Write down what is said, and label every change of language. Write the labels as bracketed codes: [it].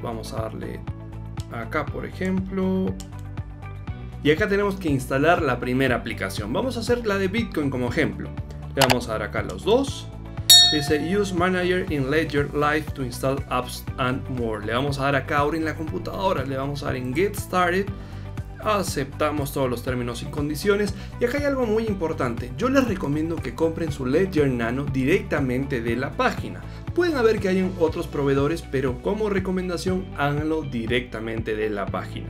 [es] Vamos a darle acá, por ejemplo... Y acá tenemos que instalar la primera aplicación. Vamos a hacer la de Bitcoin como ejemplo. Le vamos a dar acá los dos. [en] Dice Use Manager in Ledger Live to install apps and more. [es] Le vamos a dar acá ahora en la computadora. Le vamos a dar en Get Started. Aceptamos todos los términos y condiciones. Y acá hay algo muy importante. Yo les recomiendo que compren su Ledger Nano directamente de la página. Pueden haber que hayan otros proveedores, pero como recomendación, háganlo directamente de la página.